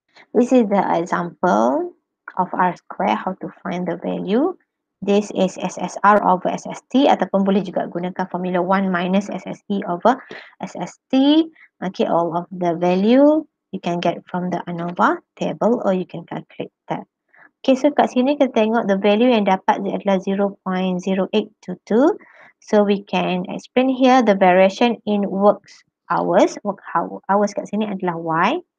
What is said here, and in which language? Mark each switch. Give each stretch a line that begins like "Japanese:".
English: This is the example of R square, how to find the value. This is SSR over SST,
Malay: ataupun boleh juga gunakan formula
English: 1 minus SSE over SST. Okay, all of the value you can get from the ANOVA table or you can calculate that. Okay, so
Malay: kat sini kita tengok
English: the value
Malay: yang dapat adalah 0.0822.
English: So we can explain here the variation in works hours.
Malay: Work hours kat sini adalah Y.